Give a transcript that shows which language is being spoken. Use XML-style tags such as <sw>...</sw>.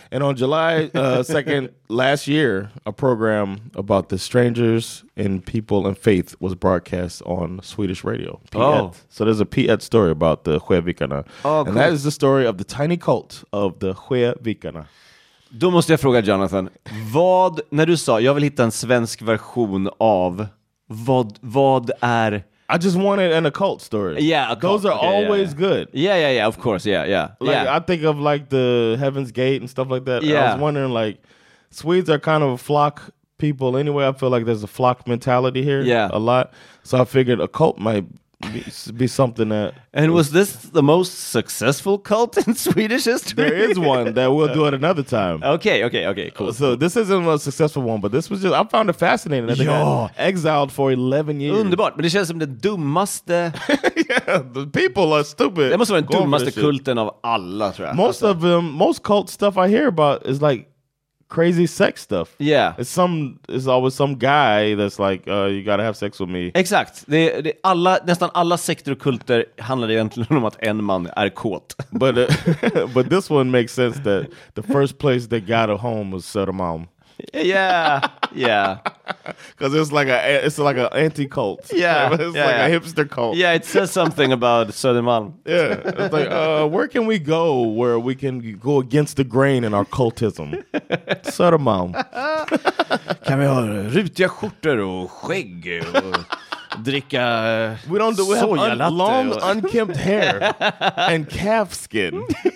<en>And on July 2nd last year, a program about the strangers in people and faith was broadcast on Swedish radio. So there's a Piet story about the Sjövikarna. And that is the story of the tiny cult of the Sjövikarna.</en> <sv>Då måste jag fråga Jonathan, vad, när du sa jag vill hitta en svensk version av, vad är...</sv> <en>I just wanted an occult story. Yeah, occult. Those are always good. Yeah, yeah, yeah, of course, yeah, yeah. Like, yeah. I think of like the Heaven's Gate and stuff like that. Yeah. I was wondering like, Swedes are kind of a flock people anyway. I feel like there's a flock mentality here a lot. So I figured a cult might be something that... And was this the most successful cult in Swedish history? There is one that we'll do at another time. Okay, okay, okay, cool. So this isn't a successful one, but this was just... I found it fascinating. I think I exiled for 11 years.</en> <sv>Underbart, men det känns som den dummaste...</sv> <en>Yeah, the people are stupid.</en> <sv>Det måste vara den dummaste kulten av alla, tror jag.</sv> <en>Most of them, most cult stuff I hear about is like crazy sex stuff. Yeah. It's always some guy that's like, you gotta have sex with me.</en> <sv>Exakt. Nästan alla sekter och kulter handlar egentligen om att en man är kåt.</sv> <en>But this one makes sense that the first place they got a home was Södermalm. Yeah. Yeah. Because it's like an anti-cult. Yeah. It's like a hipster cult. Yeah, it says something about Södermalm. Yeah. It's like, where can we go where we can go against the grain in our cultism? Södermalm.</en> <sv>Kan vi ha rutiga skjortor och skägg och dricka sojalatte?</sv> <en>Long, unkempt hair and calf skin.</en>